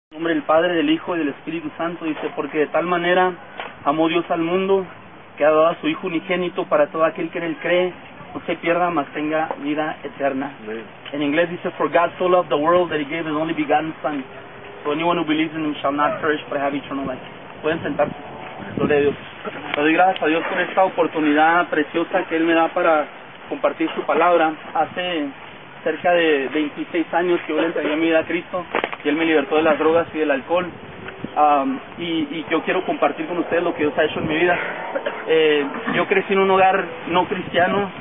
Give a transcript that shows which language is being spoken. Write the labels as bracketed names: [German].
[Spanish] En nombre del Padre, del Hijo y del Espíritu Santo, dice, porque de tal manera amó Dios al mundo que ha dado a su Hijo unigénito para todo aquel que en él cree, no se pierda, mas tenga vida eterna. Amen. En inglés dice, [English] for God so loved the world that he gave his only begotten Son, so anyone who believes in him shall not perish but have eternal life. [Spanish] Pueden sentarse. Gloria a Dios. Le doy gracias a Dios por esta oportunidad preciosa que Él me da para compartir su palabra. Hace cerca de 26 años que yo le entregué mi vida a Cristo y Él me libertó de las drogas y del alcohol. Y yo quiero compartir con ustedes lo que Dios ha hecho en mi vida. Yo crecí en un hogar no cristiano.